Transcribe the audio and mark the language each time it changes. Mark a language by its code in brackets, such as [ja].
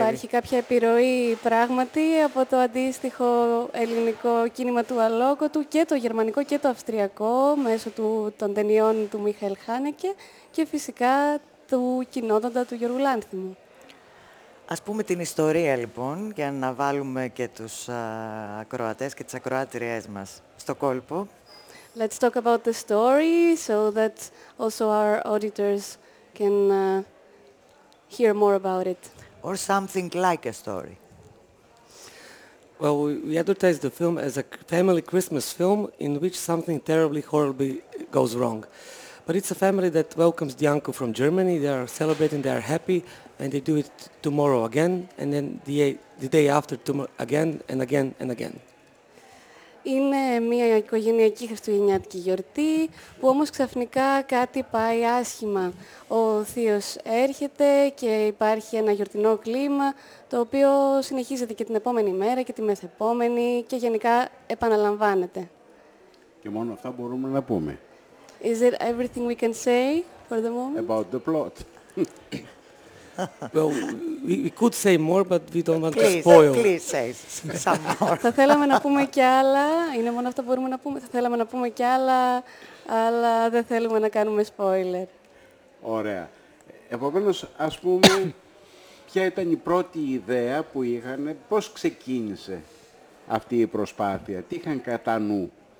[el] Υπάρχει κάποια επιρροή πράγματι από το αντίστοιχο ελληνικό κίνημα του αλόκοτου και το γερμανικό και το αυστριακό μέσω των ταινιών του Μίχαελ Χάνεκε και φυσικά του κοινότοντα του Γιώργου Λάνθιμου. Ας πούμε την ιστορία, λοιπόν, για να βάλουμε και τους ακροατές και τις ακροάτριές μας στο κόλπο. [en] Let's talk about the story, so that also our auditors can hear more about it. Or something like a story. Well, we advertised the film as a family Christmas film in which something terribly horribly goes wrong. But it's a family that welcomes the uncle from Germany. They are celebrating, they are happy, and they do it tomorrow again, and then the day after again, and again, and again. [el] Είναι μια οικογενειακή χριστουγεννιάτικη γιορτή, που όμως ξαφνικά κάτι πάει άσχημα. Ο θείος έρχεται και υπάρχει ένα γιορτινό κλίμα, το οποίο συνεχίζεται και την επόμενη μέρα και τη μεθεπόμενη και γενικά επαναλαμβάνεται. Και μόνο αυτά μπορούμε να πούμε. [en] Is it everything we can say for the moment? About the plot. Well, we could say more, but we don't want please, to spoil. Please say some more. [el] Θα θέλαμε να πούμε κι άλλα. Είναι μόνο αυτό που μπορούμε να πούμε. Θα θέλαμε να πούμε κι άλλα, αλλά δεν θέλουμε να κάνουμε spoiler. Ωραία. Επομένως, ας πούμε, ποια ήταν η πρώτη ιδέα που είχαν, πώς ξεκίνησε αυτή η προσπάθεια, τι είχαν κατά νου.